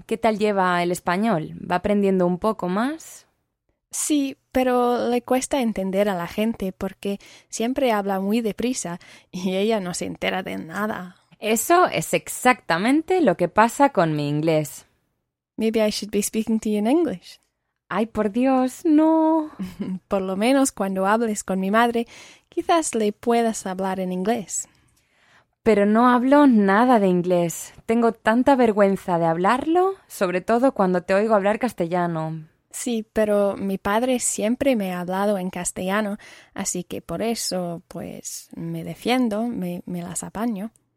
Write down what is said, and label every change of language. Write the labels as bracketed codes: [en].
[es] ¿Qué tal lleva el español? ¿Va aprendiendo un poco más? Sí, pero le cuesta entender a la gente porque siempre habla muy deprisa y ella no se entera de nada. Eso es exactamente lo que pasa con mi inglés. [en] Maybe I should be speaking to you in English. [es] ¡Ay, por Dios, no! Por lo menos cuando hables con mi madre, quizás le puedas hablar en inglés. Pero no hablo nada de inglés. Tengo tanta vergüenza de hablarlo, sobre todo cuando te oigo hablar castellano. Sí, pero mi padre siempre me ha hablado en castellano, así que por eso, pues, me defiendo, me las apaño.